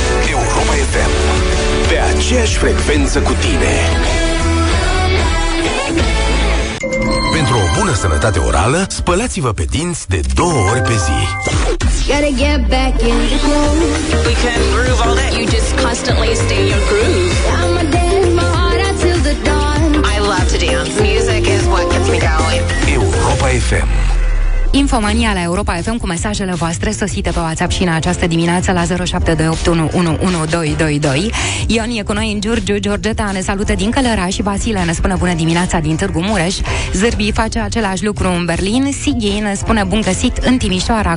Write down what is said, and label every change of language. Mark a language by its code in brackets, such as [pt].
[ro] Europa FM, pe aceeași frecvență cu tine. Pentru o bună sănătate orală, spălați-vă pe dinți de două ori pe zi. [en] Gotta get back in the groove. We can groove all day. You just constantly stay in your groove. I'ma dance my heart out till the dawn. I love to dance. Music is what gets me going. [ro] Europa FM. Infomania la Europa FM cu mesajele voastre sosite pe WhatsApp și în această dimineață la 0728111222. Ion e cu noi în Giurgiu, Georgeta ne salută din Călăraș și Vasile ne spune bună dimineața din Târgu Mureș. Zârbi face același lucru în Berlin. Sighi ne spune bun găsit în Timișoara.